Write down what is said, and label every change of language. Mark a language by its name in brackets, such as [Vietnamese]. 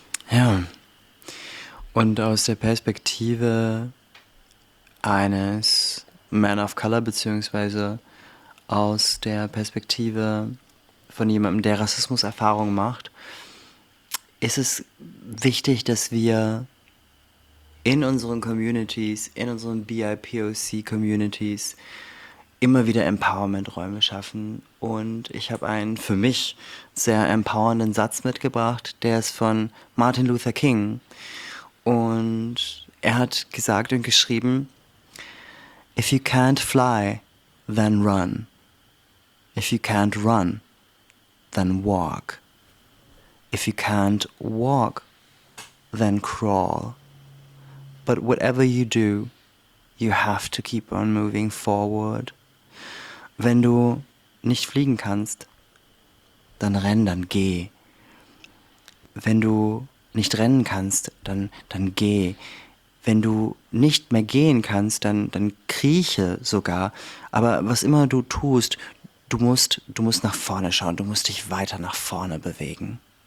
[German] Ja, und aus der Perspektive eines Man of Color, beziehungsweise aus der Perspektive von jemandem, der Rassismuserfahrung macht, ist es wichtig, dass wir in unseren Communities, in unseren BIPOC-Communities immer wieder Empowerment-Räume schaffen. Und ich habe einen für mich sehr empowernden Satz mitgebracht, der ist von Martin Luther King. Und er hat gesagt und geschrieben, [English] if you can't fly, then run. If you can't run, then walk. If you can't walk, then crawl. But whatever you do, you have to keep on moving forward. [German] Wenn du nicht fliegen kannst, dann renn, dann geh. Wenn du nicht rennen kannst, dann geh. Wenn du nicht mehr gehen kannst, dann krieche sogar. Aber was immer du tust, du musst nach vorne schauen. Du musst dich weiter nach vorne bewegen.